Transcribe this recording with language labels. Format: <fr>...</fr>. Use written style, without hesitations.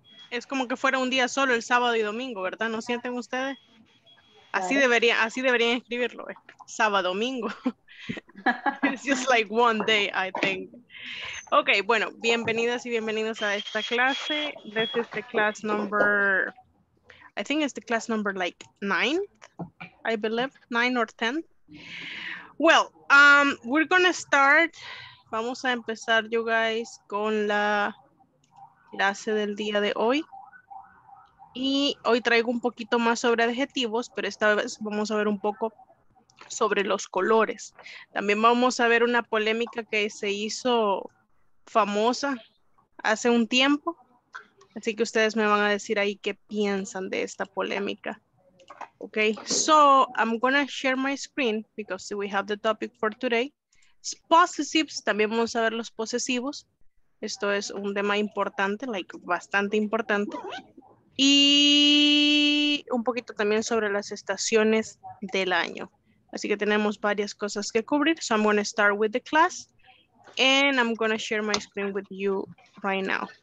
<es>Es como que fuera un día solo el sábado y domingo, ¿verdad? ¿No sienten ustedes? Claro. Así deberían escribirlo, sábado, domingo.</es> <en>It's just like one day, I think.</en> <es>Ok, bueno, bienvenidas y bienvenidos a esta clase.</es> <en>This is the class number, I think it's the class number like ninth, I believe, nine or ten. Well, we're gonna start,</en> <es>vamos a empezar,</es> <en>you guys,</en> <es>con la clase del día de hoy. Y hoy traigo un poquito más sobre adjetivos, pero esta vez vamos a ver un poco sobre los colores. También vamos a ver una polémica que se hizo famosa hace un tiempo. Así que ustedes me van a decir ahí qué piensan de esta polémica.</es> <en>Ok, so I'm gonna share my screen because we have the topic for today. It's possessives,</en> <es>también vamos a ver los posesivos. Esto es un tema importante, like bastante importante. Y un poquito también sobre las estaciones del año. Así que tenemos varias cosas que cubrir.</es> <en>So I'm going to start with the class. And I'm going to share my screen with you right now.</en>